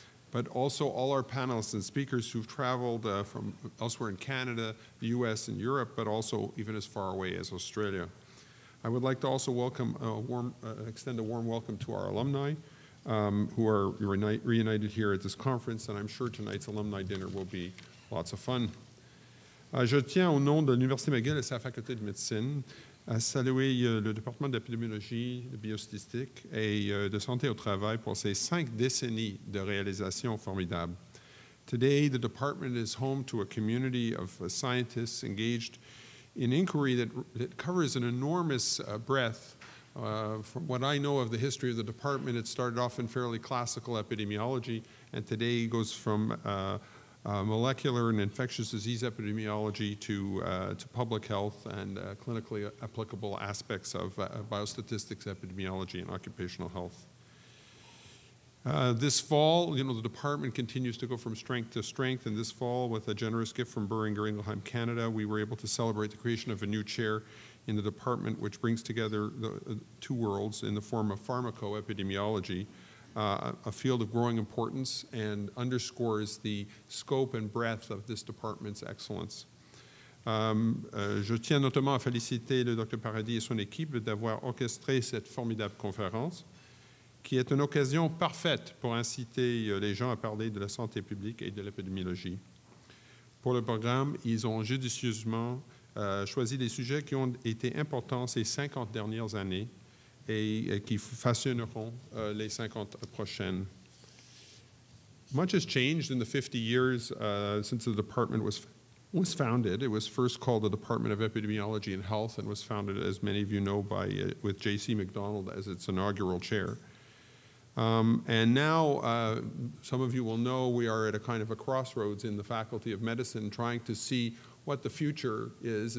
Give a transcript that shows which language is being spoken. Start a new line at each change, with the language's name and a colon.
English: But also all our panelists and speakers who've traveled from elsewhere in Canada, the US and Europe, but also even as far away as Australia. I would like to also extend a warm welcome to our alumni who are reunited here at this conference, and I'm sure tonight's alumni dinner will be lots of fun.
French: Je tiens au nom de l'Université McGill et sa faculté de médecine à saluer le département d'épidémiologie, de biostatistique et de santé au travail pour ces cinq décennies de réalisations formidables.
English: Today, the department is home to a community of scientists engaged in inquiry that covers an enormous breadth. From what I know of the history of the department, it started off in fairly classical epidemiology, and today goes from molecular and infectious disease epidemiology to public health and clinically applicable aspects of biostatistics, epidemiology, and occupational health. This fall, you know, the department continues to go from strength to strength, and this fall, with a generous gift from Boehringer Ingelheim Canada, we were able to celebrate the creation of a new chair in the department, which brings together the two worlds in the form of pharmacoepidemiology, a field of growing importance, and underscores the scope and breadth of this department's excellence.
French: Je tiens notamment à féliciter le Dr. Paradis et son équipe d'avoir orchestré cette formidable conférence, qui est une occasion parfaite pour inciter les gens à parler de la santé publique et de l'épidémiologie. Pour le programme, ils ont judicieusement choisi des sujets qui ont été importants ces 50 dernières années, et qui façonneront les 50 prochaines.
English: Much has changed in the 50 years since the department was founded. It was first called the Department of Epidemiology and Health and was founded, as many of you know, with J.C. McDonald as its inaugural chair. And now, some of you will know, we are at a kind of a crossroads in the Faculty of Medicine trying to see what the future is.